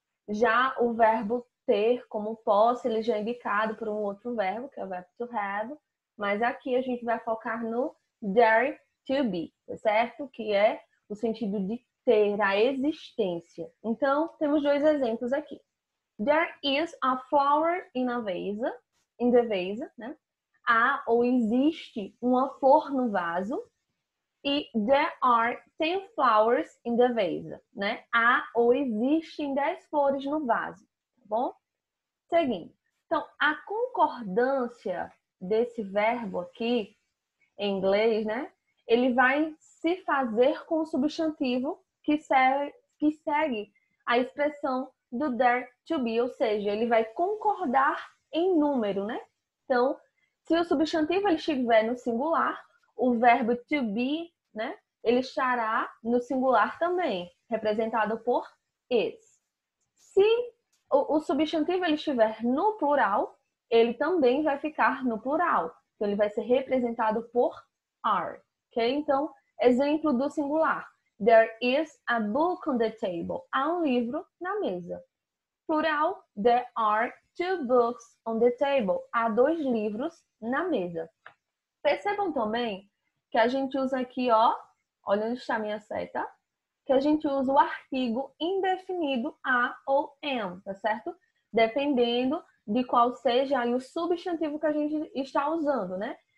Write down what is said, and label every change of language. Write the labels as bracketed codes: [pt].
[pt] Já o verbo ter como posse, ele já é indicado por um outro verbo, que é o verbo to have, mas aqui a gente vai focar no there to be, certo? Que é o sentido de ter, a existência. Então, temos dois exemplos aqui. [en] There is a flower in a vase, in the vase, né? [pt] Há ou existe uma flor no vaso. E [en] there are 10 flowers in the vase, [pt] né? Há ou existem 10 flores no vaso, tá bom? Seguindo. Então, a concordância desse verbo aqui, em inglês, né? Ele vai se fazer com o substantivo que segue a expressão do there to be, ou seja, ele vai concordar em número, né? Então, se o substantivo ele estiver no singular, o verbo to be, né? Ele estará no singular também, representado por is. Se o substantivo ele estiver no plural, ele também vai ficar no plural. Então, ele vai ser representado por are. Okay? Então, exemplo do singular. [en] There is a book on the table. [pt] Há um livro na mesa. [en] Plural, there are two books on the table. [pt] Há dois livros na mesa. Percebam também que a gente usa aqui, ó, olha onde está a minha seta, que a gente usa o artigo indefinido a ou am, tá certo? Dependendo de qual seja aí o substantivo que a gente está usando, né?